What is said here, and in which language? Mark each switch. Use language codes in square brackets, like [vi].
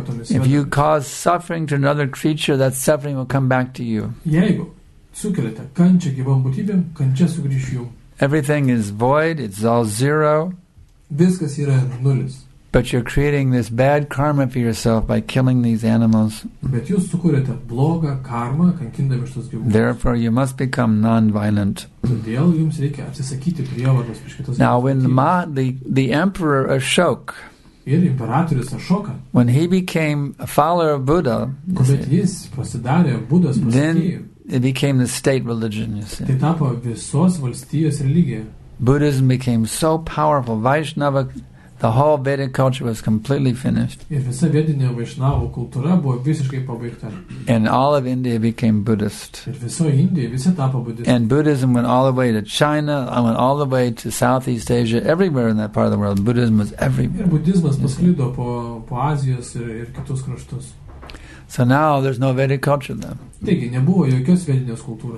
[en] If you cause suffering to another creature, that suffering will come back to you. Everything is void, it's all zero. [lt] Viskas yra nulis. [en] But you're creating this bad karma for yourself by killing these animals. [lt] Bet jūs sukūrėte blogą karmą, kankindami šitos gyvūnus. [en] Therefore, you must become non-violent. [lt] Todėl jums reikia atsisakyti prievartos prieš kitus. [en] Now, when the emperor Ashok, [lt] ir imperatorius Ashoka, [en] when he became a follower of Buddha, [lt] kuomet jis pasidarė Budos pasekėju, [en] then it became the state religion, you see. [lt] Tai tapo visos valstijos religija. [en] Buddhism became so powerful. Vaishnava, the whole Vedic culture was completely finished. [lt] Ir visa vedinė Vaishnava kultūra buvo visiškai pabaigta. [en] And all of India became Buddhist. [lt] Ir visa Indija, visa tapo Buddhist. [en] And Buddhism went all the way to China, went all the way to Southeast Asia, everywhere in that part of the world. Buddhism was everywhere. [lt] Ir budizmas pasklido po Azijos ir kitus kraštus. [en] So now there's no Vedic culture then. [lt] Taigi, nebuvo jokios vedinės kultūros.